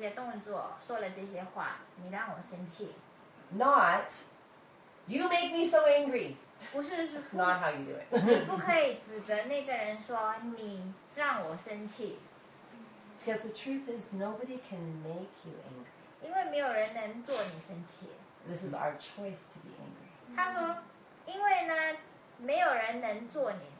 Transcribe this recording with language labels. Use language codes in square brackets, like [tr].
[zh] 你应该告诉对方说，如果你做了这些事情、这些动作、说了这些话，你让我生气。 [en] Not, you make me so angry. [zh] 不是, [en] not how you do it. [zh] 你不可以指责那个人说你让我生气。 [en] Because the truth is, nobody can make you angry. [zh] 因为没有人能做你生气。 [en] This is our choice to be angry. [zh] 他说，因为呢，没有人能做你。